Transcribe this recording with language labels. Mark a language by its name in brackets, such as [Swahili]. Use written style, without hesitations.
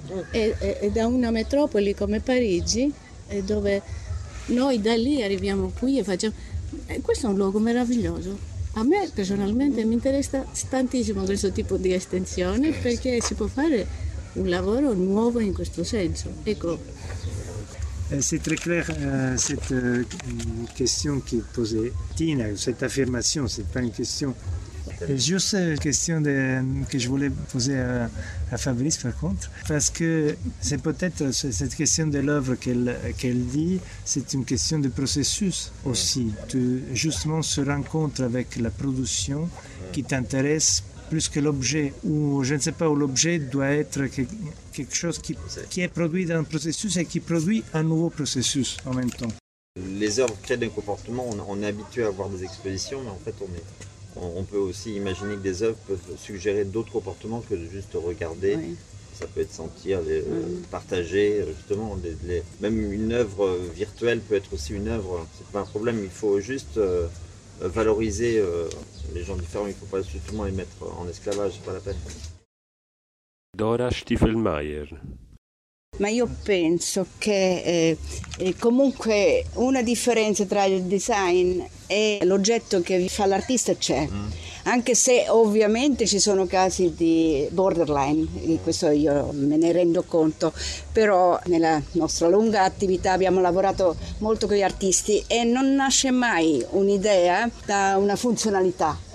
[Italian] E da una metropoli come Parigi, dove noi da lì arriviamo qui e facciamo, Questo è un luogo meraviglioso. A me personalmente mi interessa tantissimo questo tipo di estensione, perché si può fare un lavoro nuovo in questo senso. Ecco. [French] C'est très clair cette question qui est posée, Tina, cette affirmation, c'est pas une question. C'est juste une question de, que je voulais poser à Fabrice par contre, parce que c'est peut-être cette question de l'œuvre qu'elle dit, c'est une question de processus aussi. Tu justement se rencontres avec la production qui t'intéresse plus que l'objet, ou je ne sais pas, où l'objet doit être quelque chose qui est produit dans un processus et qui produit un nouveau processus en même temps. Les œuvres créent un comportement, on est habitué à voir des expositions, mais en fait on peut aussi imaginer que des œuvres peuvent suggérer d'autres comportements que de juste regarder. Oui. Ça peut être sentir, partager, justement. Même une œuvre virtuelle peut être aussi une œuvre, c'est pas un problème, il faut juste valoriser les gens différents, il ne faut pas justement les mettre en esclavage, c'est pas la peine. Dora Stiefelmeier. [Italian] Ma io penso che comunque una differenza tra il design e l'oggetto che fa l'artista c'è, anche se ovviamente ci sono casi di borderline, e questo io me ne rendo conto, però nella nostra lunga attività abbiamo lavorato molto con gli artisti e non nasce mai un'idea da una funzionalità.